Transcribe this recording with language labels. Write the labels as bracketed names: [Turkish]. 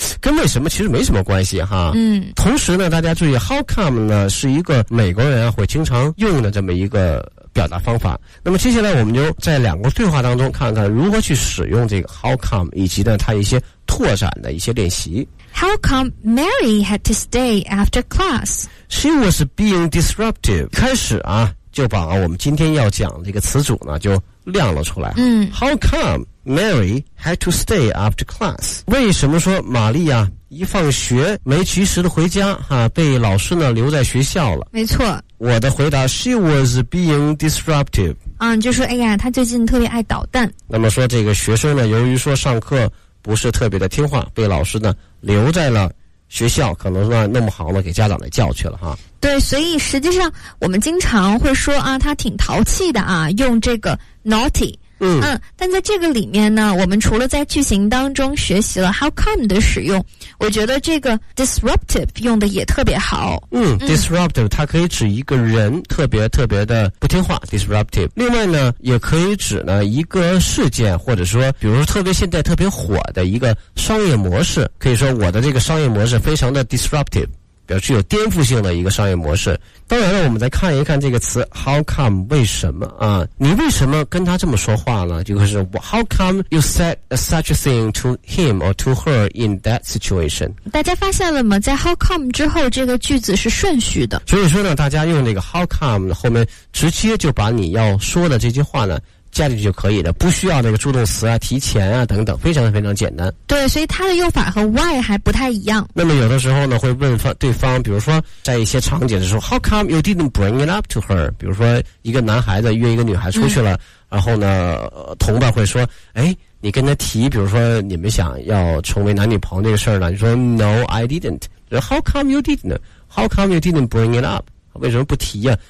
[Chinese] 跟为什么其实没什么关系哈。同时呢，大家注意 how come 呢，是一个美国人会经常用的这么一个表达方法。那么接下来我们就在两个对话当中看看如何去使用这个 how come， 以及呢它一些拓展的一些练习。 [English] How come Mary had to stay after class? She was being disruptive. [Chinese] 开始啊就把我们今天要讲这个词组呢就亮了出来。 [English] How come Mary had to stay after class? [Chinese] 为什么说玛丽啊一放学没及时的回家啊，被老师呢留在学校了？没错，我的回答 [English] She was being disruptive。 [Chinese] 就说哎呀她最近特别爱捣蛋。那么说这个学生呢，由于说上课不是特别的听话，被老师呢留在了学校，可能呢弄不好了给家长来叫去了哈。对，所以实际上我们经常会说啊他挺淘气的啊，用这个 naughty。但在这个里面呢，我们除了在句型当中学习了 how come 的使用，我觉得这个 disruptive 用的也特别好。 disruptive 它可以指一个人特别特别的不听话 disruptive， 另外呢也可以指呢一个事件，或者说比如说特别现在特别火的一个商业模式，可以说我的这个商业模式非常的 disruptive，表示有颠覆性的一个商业模式。当然了，我们再看一看这个词 how come， 为什么啊？你为什么跟他这么说话呢？就是 [English] how come you said such a thing to him or to her in that situation。 [Chinese] 大家发现了吗？在 how come 之后这个句子是顺序的，所以说呢大家用这个 how come 后面直接就把你要说的这句话呢加进去就可以的，不需要那个助动词啊、提前啊等等，非常非常简单。对，所以它的用法和 why 还不太一样。那么有的时候呢会问对方，比如说在一些场景的时候 [English] how come you didn't bring it up to her， [Chinese] 比如说一个男孩子约一个女孩出去了，然后呢同伴会说哎，你跟他提比如说你们想要成为男女朋友这个事儿呢，你说 [English] no I didn't， [Chinese] 说 [English] how come you didn't bring it up， [Chinese] 为什么不提呀？